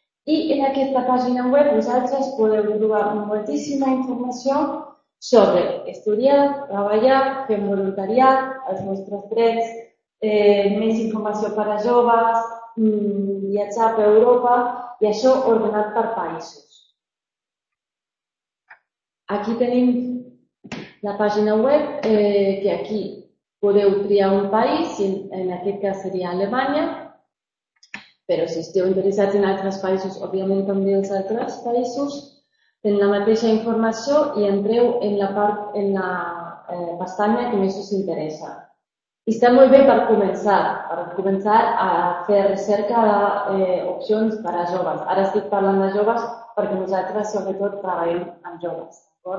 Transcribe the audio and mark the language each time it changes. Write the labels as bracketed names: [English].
[Catalan] I en aquesta pàgina web vosaltres podeu trobar moltíssima informació sobre estudiar, treballar, fer voluntariat, els vostres drets, més informació per a joves, viatjar per Europa, i això ordenat per països. Aquí tenim [Italian] La pagina web che qui potete utilizzare un paese, in questo caso sarebbe Alemania, però se siete interessati in altri paesi, ovviamente anche in altri paesi, tenete la stessa informazione e andremo nella parte, nella pestaña che mi interessa. [Spanish] Está muy bien para comenzar a hacer recerca de opciones para jóvenes. Ahora estoy hablando de jóvenes porque nosotros sobre todo trabajamos con jóvenes.